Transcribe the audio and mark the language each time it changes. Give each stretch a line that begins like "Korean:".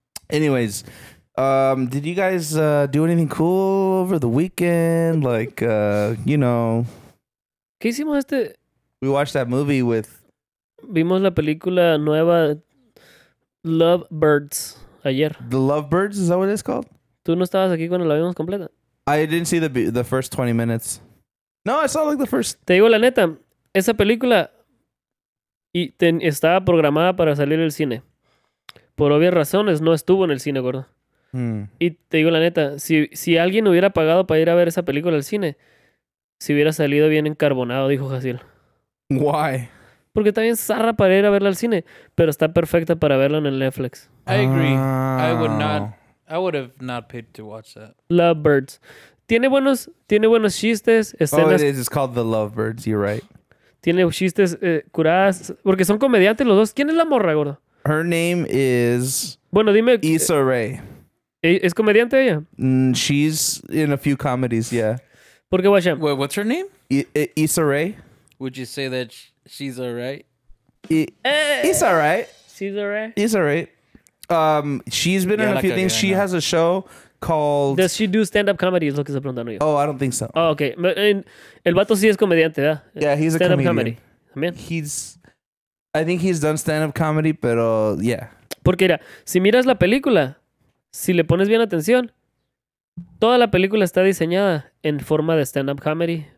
English: Anyways, did you guys do anything cool over the weekend? Like, you know.
Spanish: ¿Qué hicimos este?
English: We watched that movie with.
Spanish: Vimos la película nueva Love Birds ayer.
English: The Love Birds, is that what it's called?
Spanish: Tú no estabas aquí cuando la vimos completa.
English: I didn't see the first 20 minutes. No, I saw like the first.
Spanish: Te digo la neta, esa película estaba programada para salir en el cine. Por obvias razones no estuvo en el cine, gordo. Y te digo la neta, si alguien hubiera pagado para ir a ver esa película al cine, si hubiera salido bien encarbonado, dijo Jaciel.
English: Why?
Spanish: Porque está bien zarra para ir a verla al cine, pero está perfecta para verla en el Netflix.
English: I agree. I would have not paid to watch that.
Spanish: Lovebirds. Tiene buenos chistes, escenas.
English: Oh, it is. It's called The Lovebirds. You're right.
Spanish: Tiene chistes curadas. Porque son comediantes los dos. ¿Quién es la morra, gordo?
English: Her name is...
Spanish: Bueno, dime...
English: Issa Rae.
Spanish: ¿Es comediante ella?
English: She's in a few comedies, yeah.
Spanish: ¿Por qué, guacha?
English: Wait, what's her name? Issa Rae. Would you say that she's all right? It's all right. She's all right? It's all right. She's been in a few things. She has a show called... Does she do stand-up comedy?
Spanish: Es lo que se preguntan
English: hoy. Oh, I don't think so. Oh, okay.
Spanish: El vato sí es comediante, ¿verdad?
English: Yeah, he's a stand-up comedian. Stand-up comedy. I think he's done stand-up comedy,
Spanish: pero
English: yeah.
Spanish: Porque mira, si miras la película, si le pones bien atención, toda la película está diseñada en forma de stand-up comedy.